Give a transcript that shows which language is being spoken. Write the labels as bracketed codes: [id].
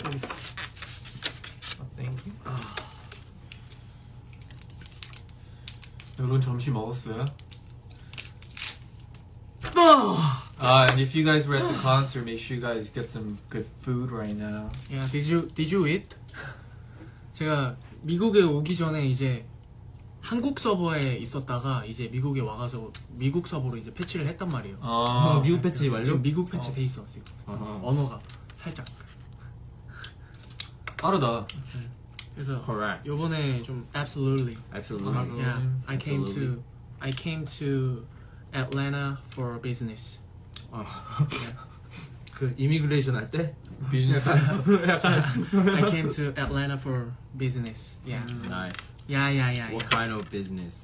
[ko] 여기 있어. [en] Thank you. [ko] 아. 여러분 점심 먹었어요? 아! [en] And if you guys were at the concert, make sure you guys get some good food right now. Yeah, did you eat? [ko] 제가 미국에 오기 전에 이제 한국 서버에 있었다가 이제 미국에 와가지고 미국 서버로 이제 패치를 했단 말이에요. 아, 미국 패치 완료? 지금 미국 패치 돼 있어 지금. 아하. 언어가 살짝 빠르다. 그래서 [en] Correct. [ko] 이번에 좀 [en] absolutely. Absolutely. Yeah, I came to Atlanta for business. [ko] 그 이미그레이션 할 때 비즈니스 [en] I came to Atlanta for business. Yeah. Nice. Yeah, yeah, yeah. What yeah. kind of business?